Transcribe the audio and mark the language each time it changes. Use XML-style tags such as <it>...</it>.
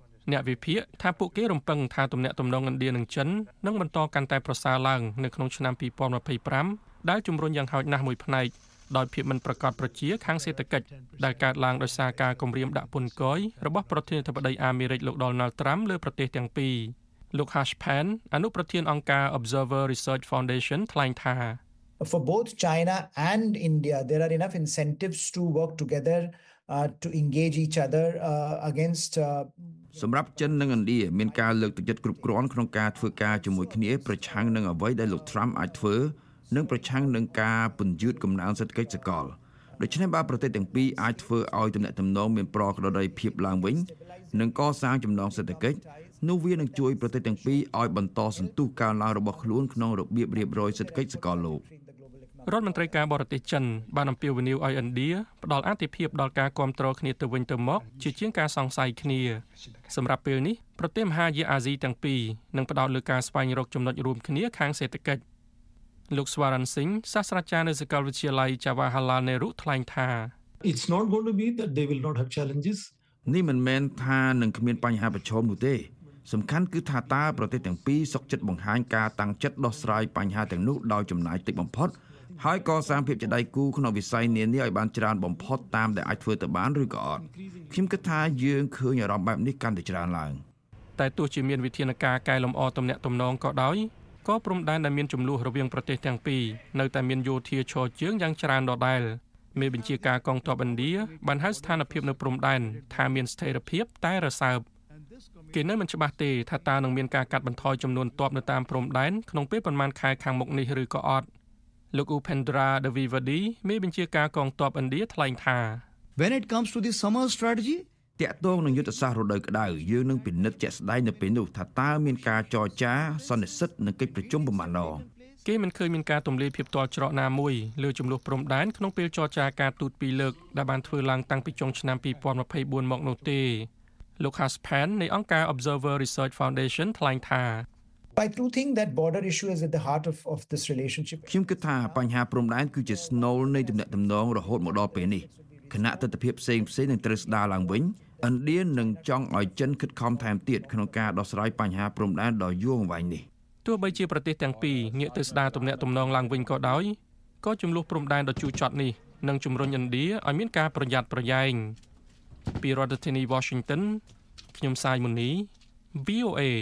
<km>អ្នកវិភាគថាពួកគេរំពឹងថាទំនាក់ទំនងឥណ្ឌានិងចិននឹងបន្តកាន់តែប្រសើរឡើងនៅក្នុងឆ្នាំ2025ដែលជំរុញយ៉ាងហោចណាស់មួយផ្នែកដោយភាពមិនប្រកាសប្រជាខាងសេដ្ឋកិច្ចដែលកើតឡើងដោយសារការគម្រាមដាក់ពន្ធគយរបស់ប្រធានាធិបតីអាមេរិកលោក Donald Trump លើប្រទេសទាំងពីរលោក Hash Pan អនុប្រធានអង្គការ Observer Research Foundation ថ្លែងថា</km> <en>For both China and India there are enough incentives to work together to engage each other against</en> <km>សម្រាប់ចិននិងឥណ្ឌាមានការលើកទឹកចិត្តគ្រប់គ្រាន់ក្នុងការធ្វើការជាមួយគ្នាប្រឆាំងនឹងអ្វីដែលលោក Trump អាចធ្វើនិងប្រឆាំងនឹងការពន្យឺតកំណើនសេដ្ឋកិច្ចសកលដូច្នេះបើប្រទេសទាំងពីរអាចធ្វើឲ្យទំនាក់ទំនងមានប្រក្រតីភាពឡើងវិញនិងកសាងចំណងសេដ្ឋកិច្ចនោះវានឹងជួយប្រទេសទាំងពីរឲ្យបន្តសន្ទុះការឡើងរបស់ខ្លួនក្នុងរបៀបរៀបរយសេដ្ឋកិច្ចសកលលោករ ដ្ឋមន្ត្រីការបរទេសចិនបានអំពាវនាវឲ្យឥណ្ឌាផ្តល់អធិភាពដល់ការគ្រប់គ្រងគ្នាទៅវិញទៅមកជាជាងការសង្ស័យគ្នាសម្រាប់ពេលនេះប្រទេសមហាយាអាស៊ីទាំងពីរនឹងផ្តោតលើការស្វែងរកចំណុចរួមគ្នាខាងសេដ្ឋកិច្ចលោកស្វារ៉ាន់ស៊ីងសាស្ត្រាចារ្យនៅសាកលវិទ្យាល័យ Jawaharlal Nehru ថ្លែងថា</km> <en>It's not going to be that they will not have challenges</en> <km>នេះមិនមែនថានឹងគ្មានបញ្ហាប្រឈមនោះទេសំខាន់គឺថាតើប្រទេសទាំងពីរសុខចិត្តបង្ហាញការតាំងចិត្តដោះស្រាយបញ្ហាទាំងនោះដោយចំណាយតិចបំផុតហើយកសាងភាពជាដៃគូក្នុងវិស័យនានាឲ្យបានច្រើនបំផុតតាមដែលអាចធ្វើទៅបានឬក៏អត់ខ្ញុំគិតថាយើងឃើញអារម្មណ៍បែបនេះកាន់តែច្រើនឡើង តែទោះជាមានវិធានការកែលម្អទំនាក់ទំនងក៏ដោយក៏ព្រំដែនដែលមានចំនួនរវាងប្រទេសទាំងពីរនៅតែមានយោធាឈរជើងយ៉ាងច្រើនដដែលមេបញ្ជាការកងទ័ពឥណ្ឌាបានហៅស្ថានភាពនៅព្រំដែនថាមានស្ថិរភាពតែរសើបគេនៅមិនច្បាស់ទេថាតើនឹងមានការកាត់បន្ថយចំនួនទ័ពនៅតាមព្រំដែនក្នុងពេលប្រមាណខែខាងមុខនេះឬក៏អត់លោក Upendra Dwivedi មេបញ្ជាការកងទ័ពឥណ្ឌាថ្លែងថា</km> <en>When it comes to the summer strategy</en> <km>តាក់ទងនឹងយុទ្ធសាស្ត្ររដូវក្តៅយើងនឹងពិនិត្យជាក់ស្ដែងនៅពេលនោះថាតើមានការចរចាសន្និសីទនិងកិច្ចប្រជុំប្រមាណណា គេមិនឃើញមានការទម្លាយភាពទាល់ច្រកណាមួយលើចំនួនព្រំដែនក្នុងពេលចរចាការទូតពីរលើកដែលបានធ្វើឡើងតាំងពីចុងឆ្នាំ2024មកនោះទេលោក Hash Pan នៃអង្គការ Observer Research Foundation ថ្លែងថា</km> <en>I truly think that border issue is at the heart of this relationship</en> <km>ខ្ញុំគិតថាបញ្ហាព្រំដែនគឺជាស្នូលនៃទំនាក់ទំនងរហូតមកដល់ពេលនេះគណៈទស្សនវិជ្ជាផ្សេងផ្សេងនឹងត្រូវស្ដារឡើងវិញឥណ្ឌានឹងចង់ឲ្យចិនខិតខំថែមទៀតក្នុងការដោះស្រាយបញ្ហាព្រំដែនដ៏យូរអង្វែងនេះ ទោះបីជាប្រទេសទាំងពីរងាកទៅស្ដារទំនាក់ទំនងឡើងវិញក៏ដោយក៏ចំនួនព្រំដែនដ៏ជូរចត់នេះនឹងជំរុញឥណ្ឌាឲ្យមានការប្រយ័ត្នប្រយែងពីរដ្ឋធានី Washington ខ្ញុំសាយមុនី VOA</km>